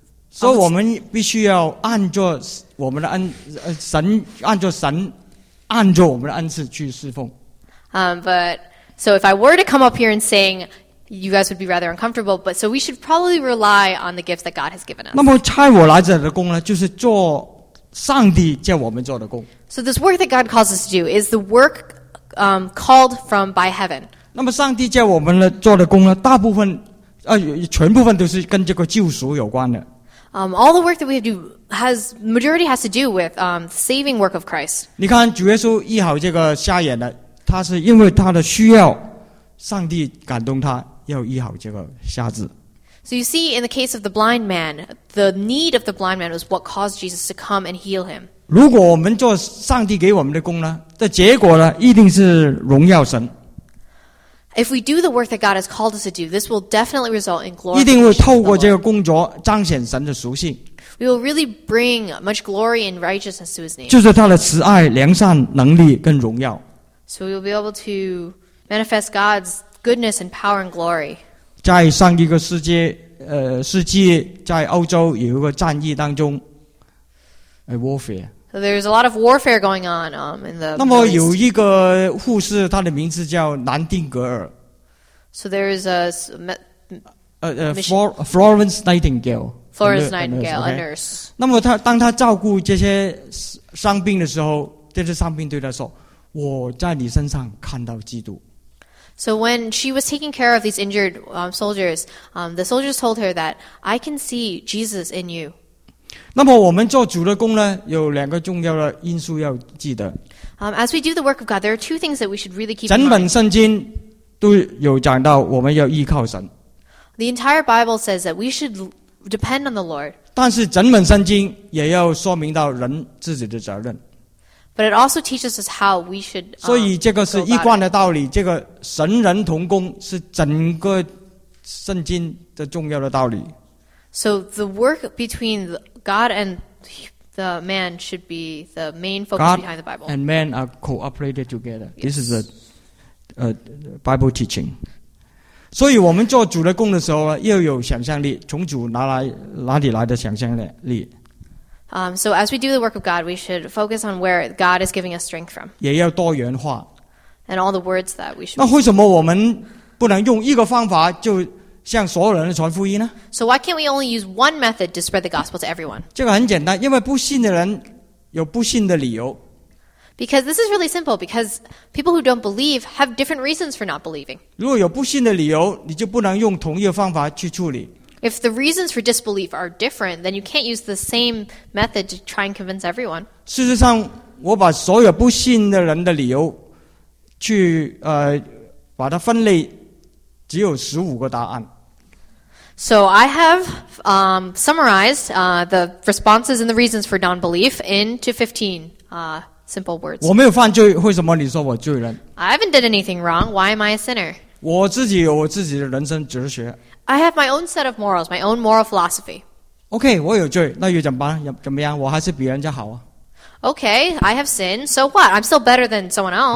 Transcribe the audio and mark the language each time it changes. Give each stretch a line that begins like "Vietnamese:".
Chinese: so, 我们必须要按着我们的神，按着我们的恩赐去侍奉。
English: But so if I were to come up here and sing, you guys would be rather uncomfortable, but so we should probably rely on the gifts that God has given us.
Chinese: 那么差我来者的工呢，就是做上帝叫我们做的工。
English: So this work that God calls us to do is the work called from by heaven.
Chinese: 那么上帝叫我们做的工呢，大部分全部分都是跟这个救赎有关的。
English: All the work that we have to do has majority has to do with the saving work of Christ.
Chinese: 你看主耶稣医好这个瞎眼的，他是因为他的需要。上帝感动他要医好这个瞎子。
English: So you see, in the case of the blind man, the need of the blind man was what caused Jesus to come and heal him.
Chinese: 如果我们做上帝给我们的工呢，这结果呢，一定是荣耀神。
English: If we do the work that God has called us to do, this will definitely result in glory.
Chinese: 一定会透过这个工作彰显神的属性。
English: We will really bring much glory and righteousness to His name.
Chinese: 就是他的慈爱、良善、能力跟荣耀。
English: So we will be able to manifest God's goodness and power and glory.
Chinese: 在上一个世纪，在欧洲有一个战役当中 ，
English: a warfare. So there's a lot of warfare going on in the.
Chinese: 那么有一个护士，他的名字叫南丁格尔。
English: So there is a. Florence Nightingale. Florence Nightingale, a nurse.
Chinese: 那么他当他照顾这些伤病的时候，这些伤病对他说：“我在你身上看到基督。”
English: So when she was taking care of these injured soldiers, the soldiers told her that I can see Jesus in you.
Chinese: 那么我们做主的工呢，有两个重要的因素要记得。
English: As we do the work of God, there are two things that we should really keep in
Chinese: 整本圣经都有讲到我们要依靠神。
English: The entire Bible says that we should depend on the Lord.
Chinese: 但是整本圣经也要说明到人自己的责任。
English: But it also teaches us how we should.
Chinese: 所以这个是一贯的道理，这个神人同工是整个圣经的重要的道理。
English: So the work between God and the man should be the main focus God behind the Bible. God and man are cooperated together. This is Bible teaching.
Chinese: 所以我们做主的工的时候，要有想象力，从主哪里来的想象力。
English: So as we do the work of God, we should focus on where God is giving us strength from.
Chinese: 也要多元化。
English: And all the words that we should.
Chinese: 那为什么我们不能用一个方法就向所有人传福音呢？
English: So why can't we only use one method to spread the gospel to everyone?
Chinese: 这个很简单，因为不信的人有不信的理由。
English: Because this is really simple, because people who don't believe have different reasons for not believing.
Chinese: 如果有不信的理由，你就不能用同一个方法去处理。
English: If the reasons for disbelief are different, then you can't use the same method to try and convince everyone.
Chinese: 事实上，我把所有不信的人的理由去把它分类，只有15个答案。
English: So I have summarized the responses and the reasons for non-belief into 15 simple words.
Chinese: 我没有犯罪，为什么你说我罪人？
English: I haven't done anything wrong. Why am I a sinner?
Chinese: 我自己有我自己的人生哲学。
English: I have my own set of morals, my own moral philosophy.
Chinese: Okay, 我有罪，那又怎么样？我还是比人家好啊。
English: Okay, I have sinned, so what? I'm still better than someone else.